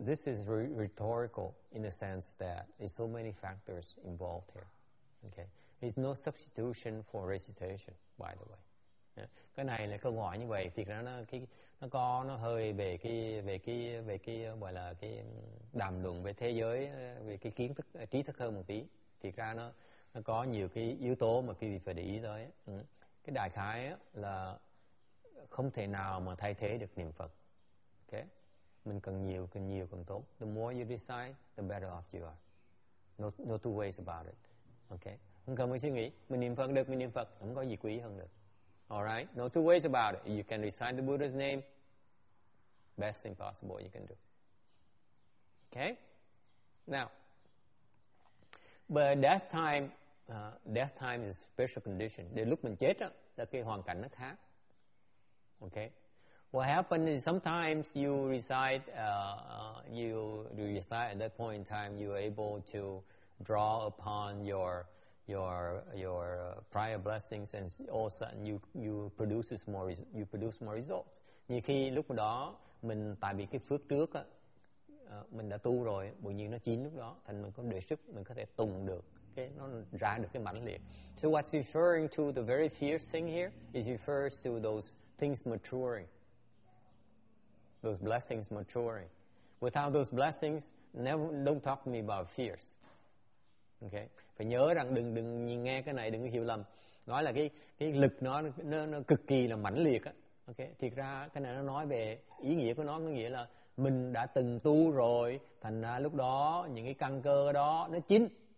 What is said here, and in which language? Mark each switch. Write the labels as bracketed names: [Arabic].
[English] This is rhetorical in the sense that there's so many factors involved here. Okay. There's no substitution for recitation, by the way. Yeah. [Vietnamese] Cái này là câu hỏi như vậy thì nó hơi về cái gọi là cái đàm luận về thế giới, về cái kiến thức trí thức hơn một tí. Thì ra nó có nhiều cái yếu tố mà quý vị phải để ý tới. Ừ. Cái đại khái là không thể nào mà thay thế được niệm Phật. Okay. Mình cần nhiều càng tốt. [English] The more you recite, the better off you are. No two ways about it. Okay. [Vietnamese] Không cần phải suy nghĩ, mình niệm Phật được, mình niệm Phật, không có gì quý hơn được. [English] Alright, no two ways about it. You can recite the Buddha's name, best thing possible you can do. Okay? Now, but death time is a special condition. [Vietnamese] Để lúc mình chết, là cái hoàn cảnh nó khác. Okay? [English] What happens is sometimes you recite at that point in time, you are able to draw upon your prior blessings, and all of a sudden you produce more results. [Vietnamese] Nhiều khi lúc đó mình tại vì cái phước trước á, mình đã tu rồi, bởi vì nó chín lúc đó, thành mình có đề sức, mình có thể tùng được, cái nó ra được cái mãnh liệt. [English] So what's referring to the very fierce thing here is refers to those things maturing, those blessings maturing. Without those blessings, don't talk to me about fears. Okay. [Vietnamese] Phải nhớ rằng đừng nghe cái này, đừng có hiểu lầm. Nói là cái lực nó cực kỳ là mãnh liệt á. Okay. Thiệt ra cái này nó nói về ý nghĩa của nó, có nghĩa là mình đã từng tu rồi, thành ra lúc đó những cái căn cơ đó nó chín.